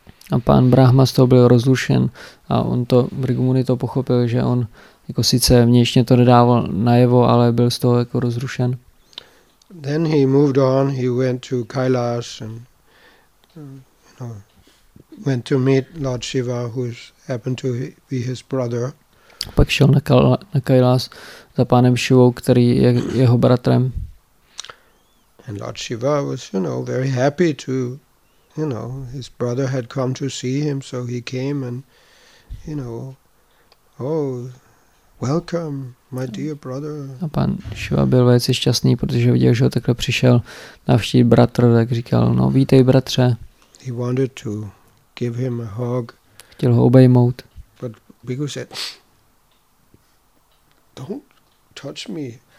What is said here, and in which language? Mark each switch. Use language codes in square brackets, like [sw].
[cs] A pán Brahma z toho byl rozrušen a on to, Bhrigu Muni to pochopil, že on jako sice vnějšně to nedával najevo, ale byl z toho jako rozrušen. [en] Then he moved on, he went to Kailash and, you know, went to meet Lord Shiva, who happened to be his brother. [cs] Pak šel na Kailash za pánem Shivou, který je jeho bratrem. [en] And Lord Shiva was, you know, very happy to, you know, his brother had come to see him, so he came and, you know, oh, welcome, my dear brother. [cs] A pan Shiva byl velice šťastný, protože viděl, že ho takhle přišel navštívit bratr, tak říkal, no, vítej, bratře. [en] He wanted to give him a hug. [cs] Chtěl ho obejmout. [en] But Bhrigu said, don't touch me.